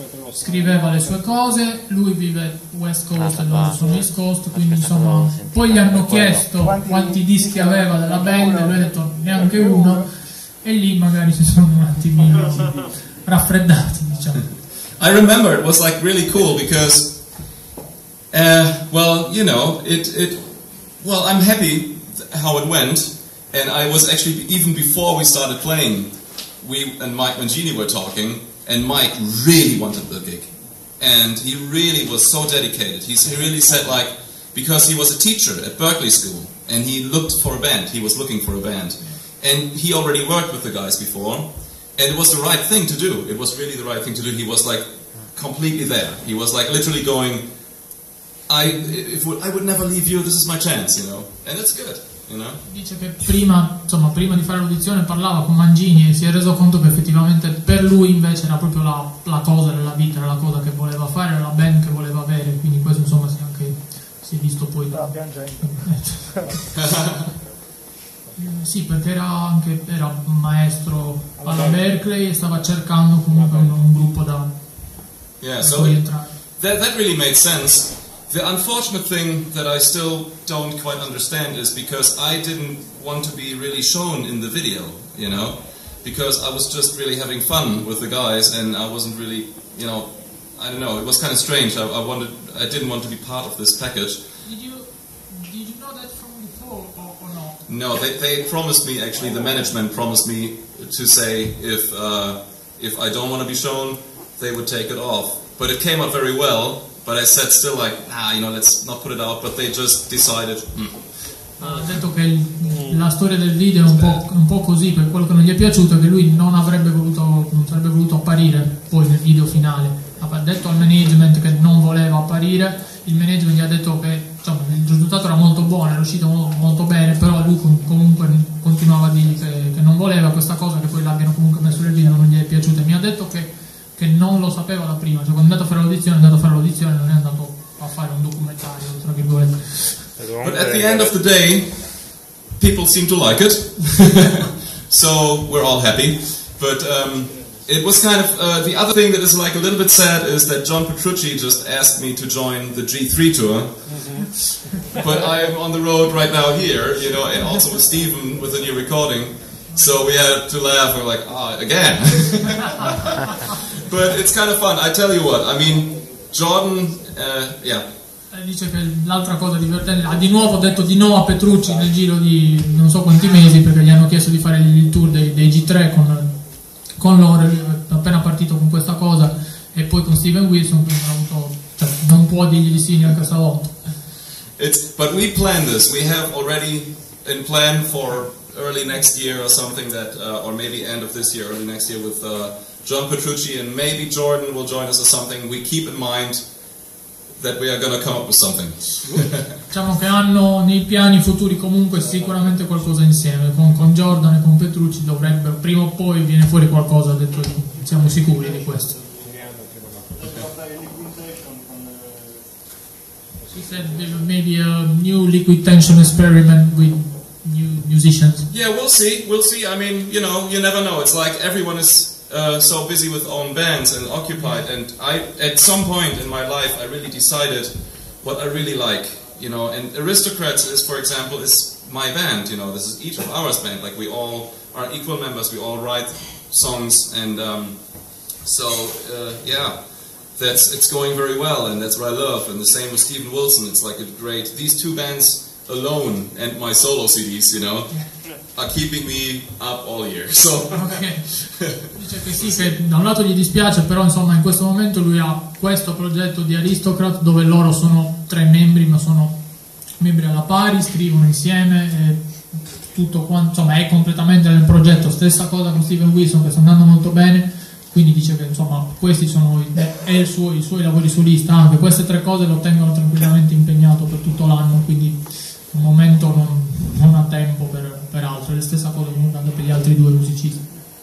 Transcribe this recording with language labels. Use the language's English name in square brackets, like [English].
[Italian] Scriveva le sue cose, lui vive West Coast e loro sono East Coast, quindi insomma. Poi gli hanno chiesto quanti dischi aveva della band, e lui ha detto neanche uno, e lì magari si sono un attimino raffreddati, diciamo. [English] I remember it was like really cool because I'm happy how it went, and I was actually, even before we started playing, we and Mike and Jeannie were talking, and Mike really wanted the gig, and he really was so dedicated. He really said, like, because he was a teacher at Berklee School, and he looked for a band, he was looking for a band, and he already worked with the guys before, and it was the right thing to do, it was really the right thing to do. He was, like, completely there, he was, like, literally going, I would never leave you, this is my chance, you know, and it's good, you know. [Italian] Dice che prima di fare l'audizione parlava con Mangini e si è reso conto che effettivamente per lui invece era proprio la cosa della vita, era la cosa che voleva fare, era la band che voleva avere, quindi questo insomma si è visto poi da piangendo. Sì, perché era un maestro alla Berklee e stava cercando comunque un gruppo da entrare. [English] That really made sense. The unfortunate thing that I still don't quite understand is because I didn't want to be really shown in the video, you know, because I was just really having fun with the guys and I wasn't really, you know, I don't know, it was kind of strange. I didn't want to be part of this package. Did you know that from before or not? No, they promised me, actually the management promised me to say if I don't want to be shown, they would take it off. But it came out very well. But I said still like, you know, let's not put it out, but they just decided. [Italian] Ha detto che la storia del video è un po' così, per quello che non gli è piaciuto, che lui non sarebbe voluto apparire poi nel video finale. Ha detto al management che non voleva apparire, il management gli ha detto che il risultato era molto buono, era uscito molto bene, però lui comunque continuava a dire che non voleva questa cosa, che poi l'abbiano comunque messo nel video, non gli è piaciuta. Mi ha detto che che non lo sapeva da prima, cioè quando è andato a fare l'audizione, è andato a fare l'audizione, non è andato a fare un documentario, tra virgolette. [English] But at the end of the day, people seem to like it, so we're all happy. But it was kind of the other thing that is like a little bit sad is that John Petrucci just asked me to join the G3 tour, but I am on the road right now here, you know, and also with Stephen with a new recording. So we had to laugh, we're like, again. But it's kind of fun, I tell you what, I mean, Jordan, yeah. [Italian] Dice che l'altra cosa divertente, ha di nuovo detto di no a Petrucci nel giro di non so quanti mesi, perché gli hanno chiesto di fare il tour dei G3 con loro, appena partito con questa cosa, e poi con Steven Wilson, quindi ha avuto, cioè, non può dirgli di sì neanche stavolta. [English] But we plan this, we have already in plan for early next year or something that, or maybe end of this year, early next year with John Petrucci, and maybe Jordan will join us or something. We keep in mind that we are going to come up with something. [Italian] Diciamo che hanno nei piani futuri comunque sicuramente qualcosa insieme, con Jordan e con Petrucci dovrebbe, prima o poi viene fuori qualcosa, detto siamo sicuri di questo. Okay. [English] He said there may be a new liquid tension experiment with new musicians. Yeah, we'll see. I mean, you know, you never know. It's like everyone is so busy with own bands and occupied, and I, at some point in my life, I really decided what I really like, you know, and Aristocrats is, for example, is my band, you know, this is each of ours band, like we all are equal members, we all write songs, and that's, it's going very well, and that's what I love, and the same with Stephen Wilson, it's like a great, these two bands alone and my solo CDs, you know, are keeping me up all year. So [Italian] dice che sì, che da un lato gli dispiace, però insomma in questo momento lui ha questo progetto di Aristocrat dove loro sono tre membri, ma sono membri alla pari, scrivono insieme e tutto quanto, insomma è completamente nel progetto. Stessa cosa con Steven Wilson, che sta andando molto bene, quindi dice che insomma questi sono i suoi lavori su lista, anche queste tre cose lo tengono tranquillamente impegnato per tutto l'anno, quindi al momento non ha tempo per altro, è la stessa cosa andando per gli altri due musicisti.